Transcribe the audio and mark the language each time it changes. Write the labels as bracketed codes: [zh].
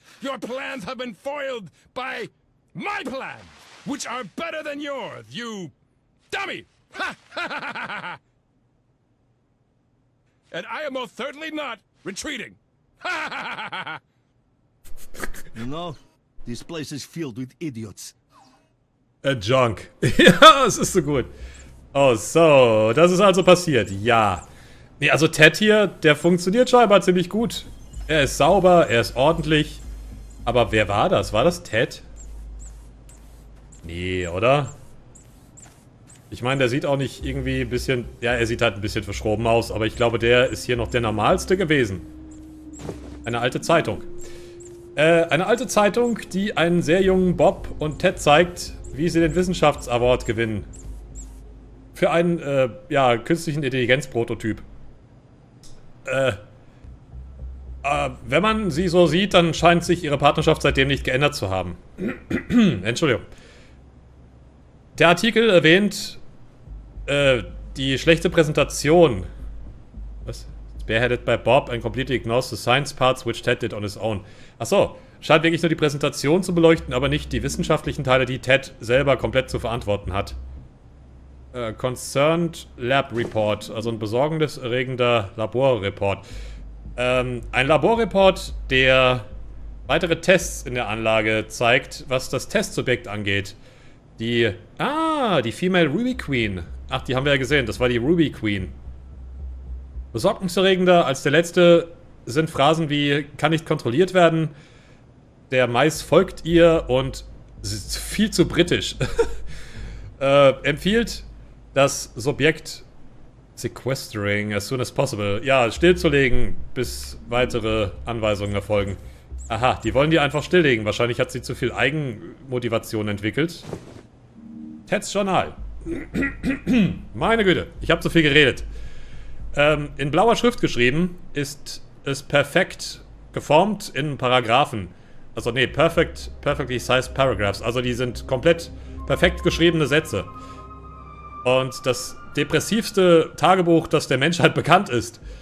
[en] Your plans have been foiled by my plan, which are better than yours, you dummy! Ha ha ha. And I am most certainly not retreating. Ha ha ha. You know, this place is filled with idiots. A junk. [de] Ja, es ist so gut. Oh, so, das ist also passiert. Ja. Nee, also Ted hier, der funktioniert scheinbar ziemlich gut. Er ist sauber, er ist ordentlich. Aber wer war das? War das Ted? Nee, oder? Ich meine, der sieht auch nicht irgendwie ein bisschen... Ja, er sieht halt ein bisschen verschroben aus. Aber ich glaube, der ist hier noch der Normalste gewesen. Eine alte Zeitung. Eine alte Zeitung, die einen sehr jungen Bob und Ted zeigt, wie sie den Wissenschafts-Award gewinnen. Für einen, künstlichen Intelligenz-Prototyp. Wenn man sie so sieht, dann scheint sich ihre Partnerschaft seitdem nicht geändert zu haben. Entschuldigung. Der Artikel erwähnt, die schlechte Präsentation. Was? [en] Spearheaded by Bob and completely ignores the science parts which Ted did on his own. [de] Achso, scheint wirklich nur die Präsentation zu beleuchten, aber nicht die wissenschaftlichen Teile, die Ted selber komplett zu verantworten hat. [en] Concerned Lab Report, [de] also ein besorgniserregender Laborreport. Ein Laborreport, der weitere Tests in der Anlage zeigt, was das Testsubjekt angeht. Die Female Ruby Queen. Ach, die haben wir ja gesehen, das war die Ruby Queen. Besorgniserregender als der letzte sind Phrasen wie, kann nicht kontrolliert werden, der Mais folgt ihr und sie ist viel zu britisch. empfiehlt das Subjekt [en] sequestering as soon as possible. [de] Ja, stillzulegen, bis weitere Anweisungen erfolgen. Aha, die wollen die einfach stilllegen. Wahrscheinlich hat sie zu viel Eigenmotivation entwickelt. Ted's Journal. Meine Güte, ich habe zu viel geredet. In blauer Schrift geschrieben ist es perfekt geformt in Paragraphen. Also nee, [en] perfectly sized paragraphs. [de] Also die sind komplett perfekt geschriebene Sätze. Und das depressivste Tagebuch, das der Menschheit bekannt ist.